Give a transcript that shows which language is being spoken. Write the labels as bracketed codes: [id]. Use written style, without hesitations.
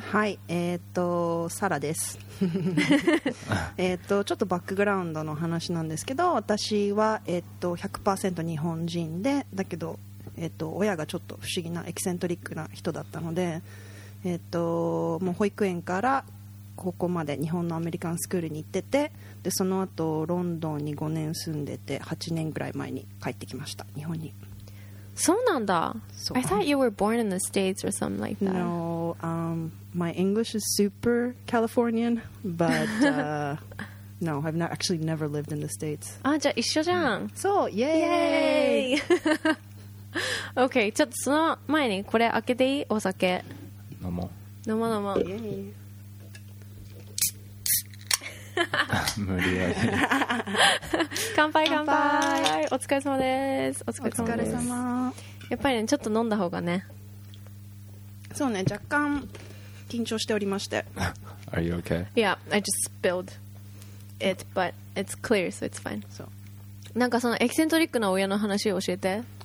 [ja] はい、サラですちょっとバックグラウンドの話なんですけど、私は、100% 日本人で、だけど、親がちょっと不思議なエキセントリックな人だったので、もう保育園から高校まで日本のアメリカンスクールに行ってて、でその後ロンドンに5年住んでて、8年ぐらい前に帰ってきました、日本に。そうなんだ。 [en] So, I thought you were born in the States or something like that. No, my English is super Californian, but no, I've not actually never lived in the States. [ja] あ、じゃあ一緒じゃん。そう、イエーイ。 OK、ちょっとその前にこれ開けていい？お酒。飲もう。飲もう飲もう。イエーイ。無理やり。乾杯乾杯。お疲れ様です。お疲れ様。やっぱりね、ちょっと飲んだ方がね。そうね、若干緊張しておりまして。 [en] Are you okay? Yeah, I just spilled it, but it's clear, so it's fine. So. [ja] なんかそのエキセントリックな親の話を教えて。